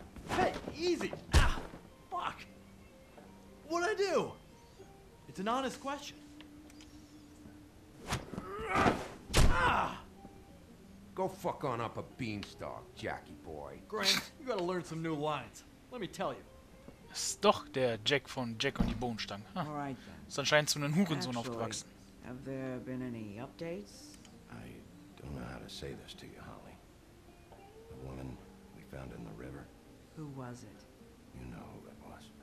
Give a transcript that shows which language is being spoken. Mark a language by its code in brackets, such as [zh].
[en] Hey, easy! Ah, fuck! What'd I do? It's an honest question. Ah! Go fuck on up a beanstalk, Jackie boy. Grant, you gotta learn some new lines. Let me tell you. [de] Ist doch der Jack von Jack und die Bohnenstange. Huh. [en] All right, [de] ist anscheinend zu einem Hurensohn aufgewachsen. [en] Have there been any updates? I don't know how to say this to you, Holly. The woman we found in the river. Who was it? You know who it was.